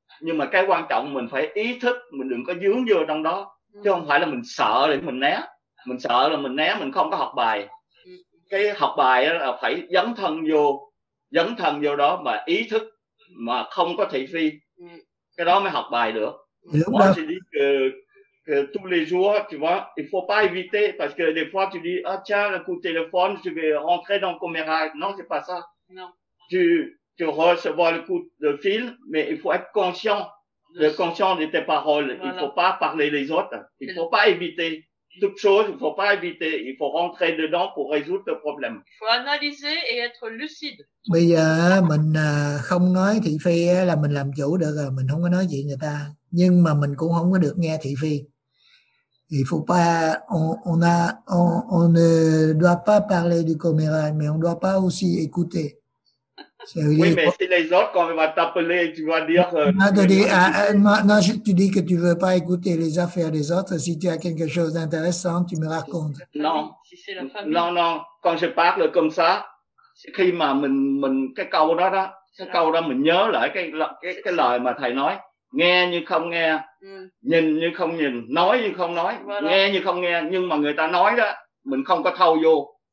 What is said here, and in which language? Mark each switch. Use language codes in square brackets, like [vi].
[vi] Nhưng mà cái quan trọng mình phải ý thức, mình đừng có dướng vô trong đó. Chứ không phải là mình sợ để mình né. Mình sợ là mình né, mình không có học bài. Cái học bài là phải dấn thân vô đó mà ý thức, mà không có thị phi. Cái đó mới học bài được. [fr] Moi, je dis que tous les jours, tu vois, il faut pas éviter, parce que des fois, tu dis, ah tiens, un coup de téléphone, je vais rentrer dans le commérage. Non, c'est pas ça. Non. Tu recevras le coup de fil, mais il faut être conscient, conscient de tes paroles. Voilà. Il faut pas parler les autres. Il faut pas éviter. Toute chose, il faut pas éviter. Il faut rentrer dedans pour résoudre le problème. Il faut analyser et être lucide. [vi] Bây giờ mình không nói thị phi là mình làm chủ được rồi, mình không có nói gì người ta, nhưng mà mình cũng không có được nghe thị phi. [fr] Il faut pas, on ne doit pas parler du commérage, mais on doit pas aussi écouter. C'est oui, mais si les autres, quand on va t'appeler, tu vas dire... Tu dis que tu ne veux pas écouter les affaires des autres. Si tu as quelque chose d'intéressant, tu me racontes. Non, si c'est la famille. Non, non, quand je parle comme ça, c'est [vi] khi mà mình cái câu đó đó, cái câu đó mình nhớ lại cái lời mà thầy nói, nghe nhưng không nghe, nhìn nhưng không nhìn, nói nhưng không nói, nghe nhưng không nghe, nhưng mà người ta nói đó, mình không có thâu vô.